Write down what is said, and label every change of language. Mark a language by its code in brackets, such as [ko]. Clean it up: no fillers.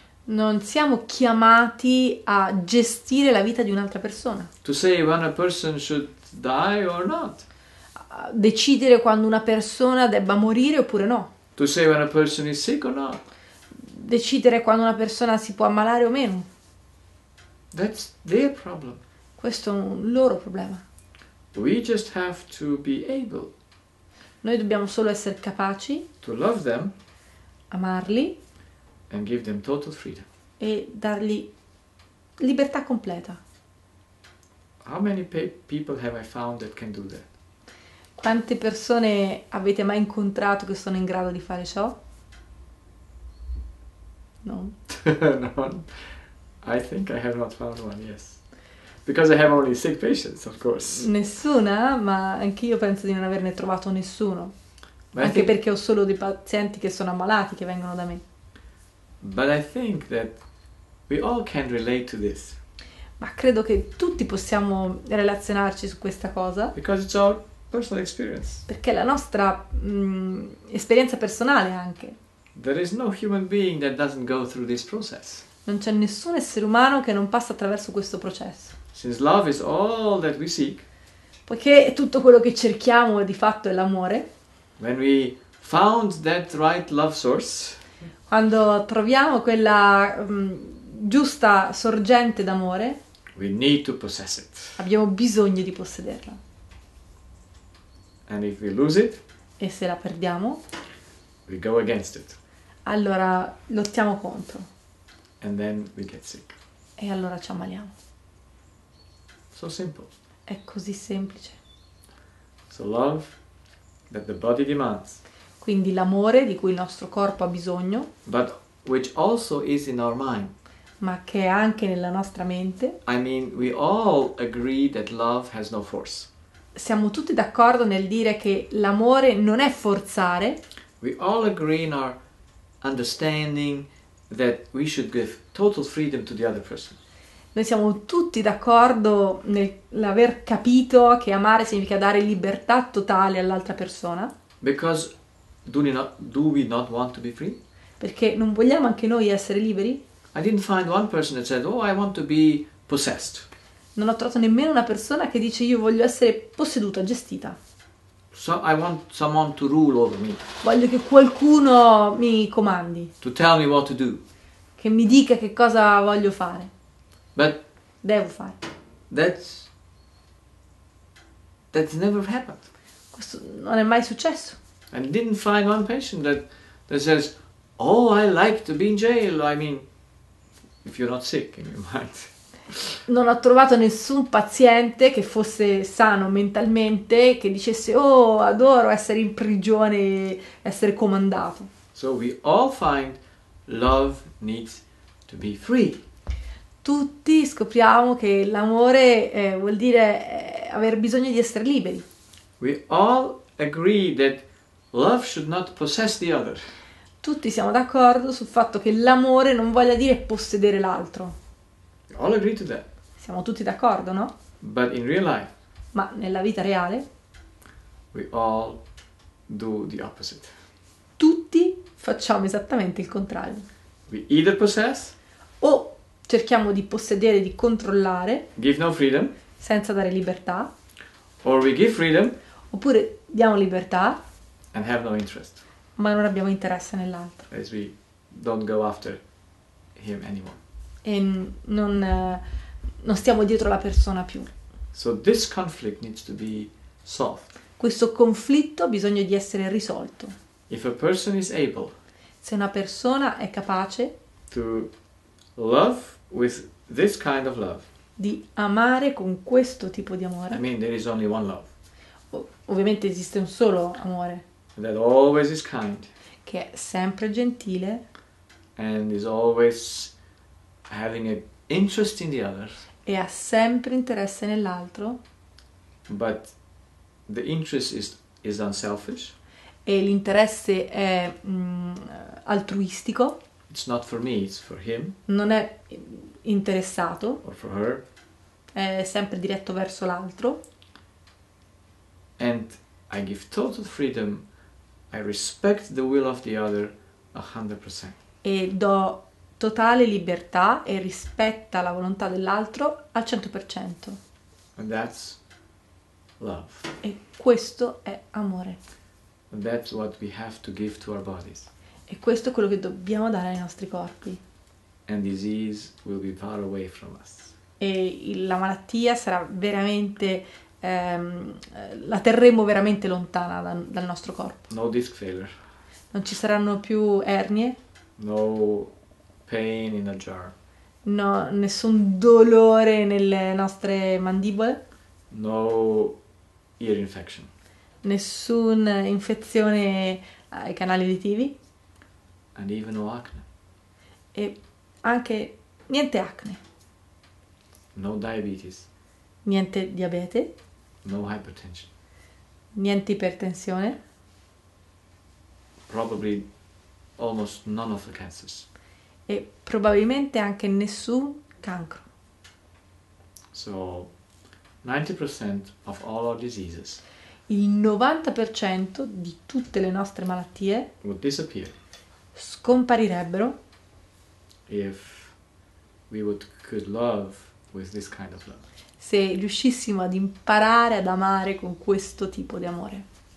[it] Non siamo chiamati a gestire la vita di un'altra persona. A [en] To say when a person should die or not. [it] decidere quando una persona debba morire oppure no. [en] To say when a person is sick or not. [it] Decidere quando una persona si può ammalare o meno. [en] That's their problem. [it] Questo è un loro problema. [en] We just have to be able [it] Noi dobbiamo solo essere capaci [en] to love them [it] amarli [en] and give them total freedom. [it] e dargli libertà completa. [en] How many people have I found that can do that? [it] Quante persone avete mai incontrato che sono in grado di fare ciò? [en] No. No, I think I have not found one, yes. Because I have only sick patients, of course. [it] Nessuna, ma anch'io penso di non averne trovato nessuno. [en] But [it] Anche perché ho solo dei pazienti che sono ammalati, che vengono da me. [en] I think that we all can relate to this. [it] Ma credo che tutti possiamo relazionarci su questa cosa. [en] Because it's our personal experience. [it] Perché è la nostra esperienza personale anche. [en] There is no human being that doesn't go through this process. [it] Non c'è nessun essere umano che non passa attraverso questo processo. [en] Since love is all that we seek, [it] Poiché tutto quello che cerchiamo di fatto è l'amore, [en] when we found that right love source, [it] quando troviamo quella giusta sorgente d'amore, [en] We need to possess it. [it] Abbiamo bisogno di possederla. [en] And if we lose it, [it] e se la perdiamo, [en] we go against it. [it] Allora lottiamo contro. [en] And then we get sick. [it] E allora ci ammaliamo. [en] So simple. [it] È così semplice. [en] So love that the body demands. [it] Quindi l'amore di cui il nostro corpo ha bisogno, [en] but which also is in our mind. [it] Ma che è anche nella nostra mente. [en] I mean, we all agree that love has no force. [it] Siamo tutti d'accordo nel dire che l'amore non è forzare. [en] We all agree in our understanding that we should give total freedom to the other person. [it] Noi siamo tutti d'accordo nell'aver capito che amare significa dare libertà totale all'altra persona. [en] Because do we not want to be free? [it] Perché non vogliamo anche noi essere liberi? [en] I didn't find one person that said, "Oh, I want to be possessed." [it] Non ho trovato nemmeno una persona che dice io voglio essere posseduta, gestita. [en] So I want someone to rule over me. [it] Voglio che qualcuno mi comandi. [en] To tell me what to do. [it] Che mi dica che cosa voglio fare. [en] But [it] devo fare. [en] That's never happened. [it] Questo non è mai successo. [en] I didn't find one patient that says, "Oh, I like to be in jail." I mean, if you're not sick in your mind. [it] Non ho trovato nessun paziente che fosse sano mentalmente che dicesse "Oh, adoro essere in prigione, essere comandato." [en] So we all find love needs to be free. [it] Tutti scopriamo che l'amore vuol dire aver bisogno di essere liberi. [en] We all agree that love should not possess the other. [it] Tutti siamo d'accordo sul fatto che l'amore non voglia dire possedere l'altro. [en] All agree to that. [it] Siamo tutti d'accordo, no? [en] But in real life, [it] ma nella vita reale, [en] we all do the opposite. [it] Tutti facciamo esattamente il contrario. [en] We either possess, [it] o cerchiamo di possedere, di controllare, [en] give no freedom, [it] senza dare libertà, [en] or we give freedom, [it] oppure diamo libertà, [en] and have no interest, [it] ma non abbiamo interesse nell'altro. [en] As we don't go after him anymore. [it] E non stiamo dietro la persona più. [en] So this conflict needs to be solved. [it] Questo conflitto ha bisogno di essere risolto. [en] If a person is able, [it] se una persona è capace [en] to love with this kind of love, [it] di amare con questo tipo di amore, [en] I mean, there is only one love. [it] Ovviamente esiste un solo amore. [en] That always is kind. [it] Che è sempre gentile. [en] And is always having an interest in the other. [it] E ha sempre interesse nell'altro. [en] But the interest is unselfish. [it] E l'interesse è altruistico. [en] It's not for me, it's for him. [it] Non è interessato. [en] Or for her. [it] È sempre diretto verso l'altro. [en] And I give total freedom. I respect the will of the other 100%. [it] E do totale libertà e rispetta la volontà dell'altro al 100%. [en] And that's love. [it] E questo è amore. [en] And that's what we have to give to our bodies. [it] E questo è quello che dobbiamo dare ai nostri corpi. [en] And disease will be far away from us. [it] E la malattia sarà veramente la terremo veramente lontana dal nostro corpo. [en] No disc failure. [it] Non ci saranno più ernie. [en] No pain in a jar. [it] No, nessun dolore nelle nostre mandibole. [en] No ear infection. [it] Nessuna infezione ai canali uditivi. [en] And even no acne. [it] E anche niente acne. [en] No diabetes. [it] Niente diabete. [en] No hypertension. [it] Niente ipertensione. [en] Probably almost none of the cancers. [it] E probabilmente anche nessun cancro. [en] So 90% of all our diseases. [it] Il 90% di tutte le nostre malattie [en] would disappear. [it] Scomparirebbero. [en] If we would could love with this kind of love. [it] Se riuscissimo ad imparare ad amare con questo tipo di amore.